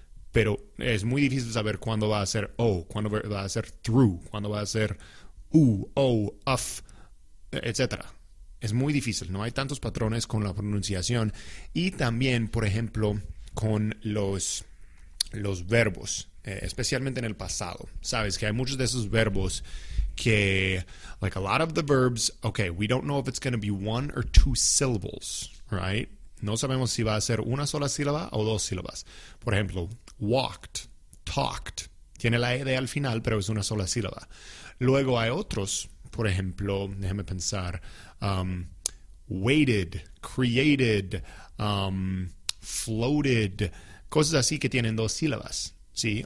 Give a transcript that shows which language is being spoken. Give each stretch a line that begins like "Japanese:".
Spanish: Pero es muy difícil saber cuándo va a ser O, cuándo va a ser through, cuándo va a ser U, O, UF, etc. Es muy difícil, no hay tantos patrones con la pronunciación. Y también, por ejemplo, con los verbos, especialmente en el pasado. Sabes que hay muchos de esos verbos que,
English: like a lot of the verbs, okay, we don't know if it's going to be one or two syllables, right?
Spanish: No sabemos si va a ser una sola sílaba o dos sílabas. Por ejemplo, walked, talked. Tiene la ed al final, pero es una sola sílaba. Luego hay otros, por ejemplo, déjeme pensar, waited, created, floated, cosas así que tienen dos sílabas, ¿sí?